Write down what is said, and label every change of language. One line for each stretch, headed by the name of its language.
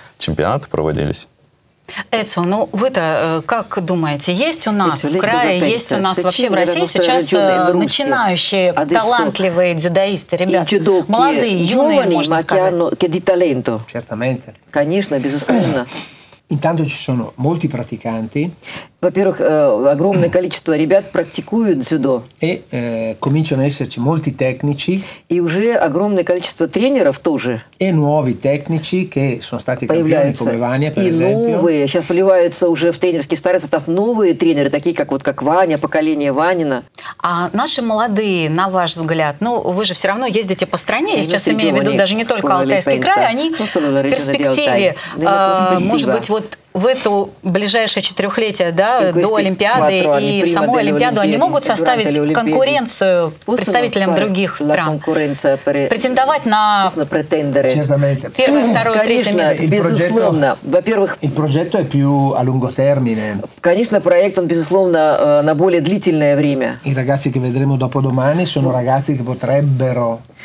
Russian: Чемпионаты проводились. Эцио, ну вы-то как думаете, есть у нас в крае, есть у нас вообще в России сейчас начинающие талантливые дзюдоисты, ребят, молодые, юные, можно сказать. Конечно, безусловно.
Italian: Intanto ci sono molti praticanti.
Russian: Во-первых, огромное количество ребят практикуют дзюдо.
Italian: E cominciano ad esserci molti tecnici.
Russian: И уже огромное количество тренеров тоже.
Italian: E nuovi tecnici che sono stati campioni come Ваня, per esempio.
Russian: И новые, сейчас вливаются уже в тренерский старый состав новые тренеры, такие как вот как Ваня, поколение Ванина. А наши молодые, на ваш взгляд, ну вы же все равно ездите по стране, я сейчас имею в виду даже не только Алтайский край, они в перспективе, может быть, вот в эту ближайшее четырехлетие, да, до Олимпиады и саму Олимпиаду, они могут составить конкуренцию представителям других стран? Претендовать на претендеры? Первое, второе, третье место? Безусловно. Во-первых,
Italian: il progetto è più a lungo termine.
Russian: Конечно, проект, он, безусловно, на более длительное время.
Italian: I ragazzi che vedremo dopodomani sono ragazzi che potrebbero.